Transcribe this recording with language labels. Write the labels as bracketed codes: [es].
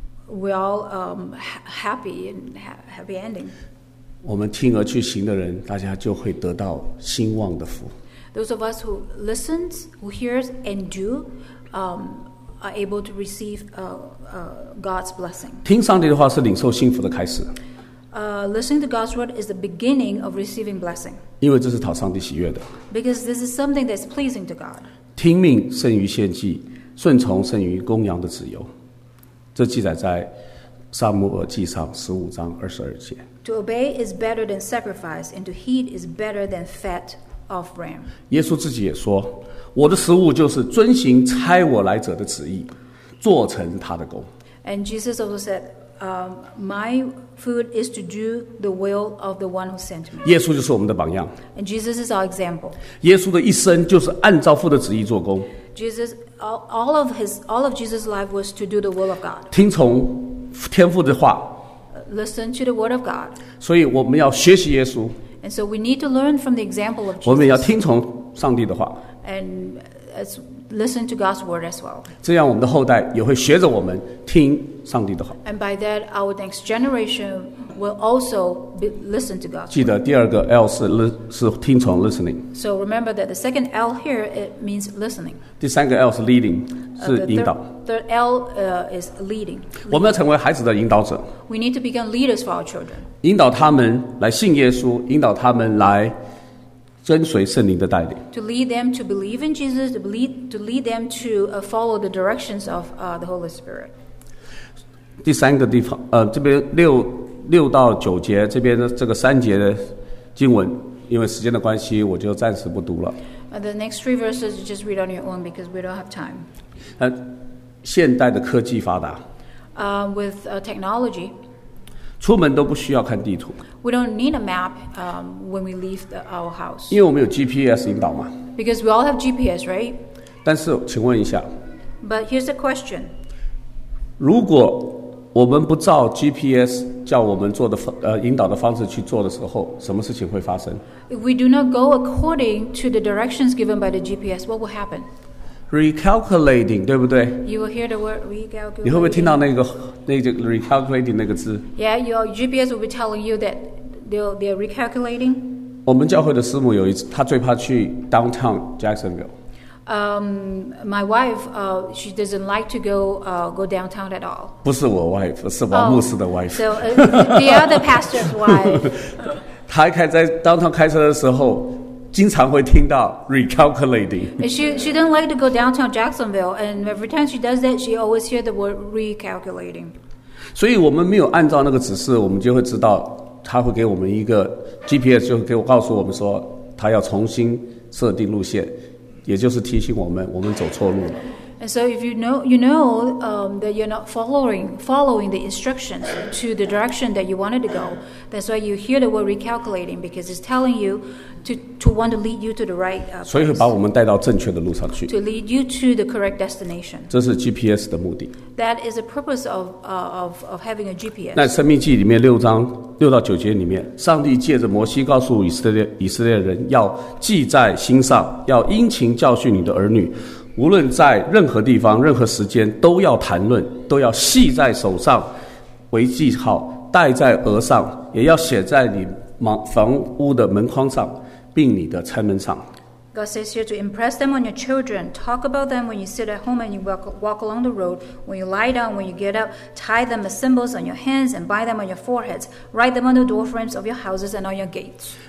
[en] We all happy and happy ending [zh] 我们听而去行的人大家就会得到兴旺的福 [en] Those of us who listen, who hear and do are able to receive God's blessing. [zh] 听上帝的话是领受幸福的开始。 [en] Listening to God's word is the beginning of receiving blessing. [zh] 因为这是讨上帝喜悦的。 [en] Because this is something that's pleasing to God. [zh] 听命胜于献祭，顺从胜于公羊的脂油。这记载在撒母耳记上十五章二十二节。 [en] To obey is better than sacrifice, and to heed is better than fat of ram. [zh] 耶稣自己也说。我的食物就是遵行差我来者的旨意，做成他的功。 [en] And Jesus also said, "My food is to do the will of the one who sent me." [zh] 耶稣就是我们的榜样。 [en] And Jesus is our example. [zh] 耶稣的一生就是按照父的旨意做工。 [en] Jesus, all of Jesus' life was to do the will of God. [zh] 听从天父的话。 [en] Listen to the word of God. [zh] 所以我们要学习耶稣。 [en] And so we need to learn from the example of Jesus. [zh] 我们要听从上帝的话。 [en] And listen to God's word as well. [zh] 这样我们的后代也会学着我们听上帝的话。 [en] And by that, our next generation will also listen to God. [zh] 记得第二个 L 是听从 listening. [en] So remember that the second L here it means listening. [zh] 第三个 L 是 leading, 是引导。 [en] Third L is leading. [zh] 我们要成为孩子的引导者。 [en] We need to become leaders for our children. [zh] 引导他们来信耶稣，引导他们来。跟随圣灵的带领 [en] to lead them to believe in Jesus, to lead them to follow the directions of the Holy Spirit. [zh] 第三个地方，这边六到九节，这边这个三节的经文，因为时间的关系，我就暂时不读了。 [en] The next three verses, just read on your own because we don't have time. [zh] 现代的科技发达 [en] with technology, [zh] 出门都不需要看地图。 [en] We don't need a map when we leave our house. [zh] 因为我们有 GPS 引导嘛。 [en] Because we all have GPS, right? [zh] 但是，请问一下。 [en] But here's the question. [zh] 如果我们不照 GPS 叫我们做的引导的方式去做的时候，什么事情会发生 [en] ？If we do not go according to the directions given by the GPS, what will happen? [zh] Recalculating, 对不对 [en] ？You will hear the word recalculating. [zh] 你会不会听到那个 recalculating 那个字 [en] ？Yeah, your GPS will be telling you that they're recalculating. [zh] 我们教会的师母有一次，她最怕去 downtown Jacksonville. [en] My wife, she doesn't like to go downtown at all. [zh] 不是我 wife, 是王牧师的 wife. [en] So the other pastor's wife. [zh] 她开在 downtown 开车的时候，经常会听到 recalculating. [en] She doesn't like to go downtown Jacksonville, and every time she does that, she always hear the word recalculating. [zh] 所以我们没有按照那个指示，我们就会知道他会给我们一个 GPS， 就会告诉我们说他要重新设定路线。也就是提醒我们，我们走错路了。 [en] And so if you know that you're not following the instructions to the direction that you wanted to go, that's why you hear the word recalculating because it's telling you to want to lead you to the right. [zh] 所以会把我们带到正确的路上去。 [en] To lead you to the correct destination. [zh] 这是 GPS 的目的。 [en] That is the purpose of having a GPS. [zh] 那生命记里面6章6到9节里面，上帝借着摩西告诉以色列人要记在心上，要殷勤教训你的儿女。无论在任何地方任何时间都要谈论，都要系在手上为记号，戴在额上，也要写在你房屋的门框上，并你的餐门上。 [en] God says here to impress them on your children, talk about them when you sit at home and you walk along the road, when you lie down, when you get up, tie them as symbols on your hands and bind them on your foreheads, write them on the door frames of your houses and on your gates.